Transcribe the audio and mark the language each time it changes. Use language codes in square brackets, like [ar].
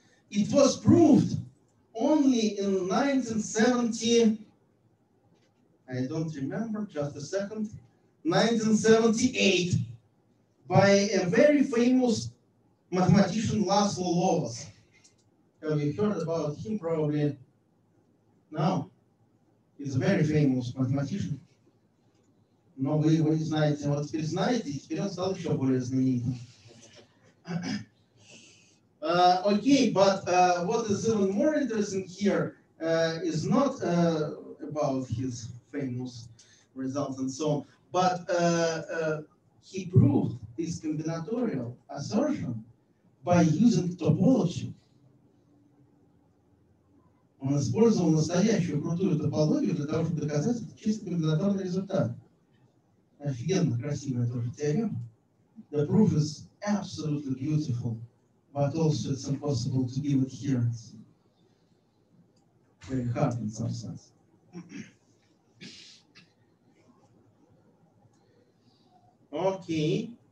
[en] It was proved only in 1970, I don't remember, just a second, 1978, by a very famous mathematician, Laszlo Lovaas. Have you heard about him probably? No. He's a very famous mathematician. [ru] Но вы его не знаете. Вот теперь знаете, теперь он стал еще более знаменитым. [en] Okay, but what is even more interesting here is not about his famous results and so on, but he proved his combinatorial assertion by using topology. [ru] Он использовал настоящую крутую топологию для того, чтобы доказать это чисто комбинаторный результат. Офигенно красивая тоже теорема. [en] The proof is absolutely beautiful, but also it's impossible to give it here. It's very hard in some sense. Okay.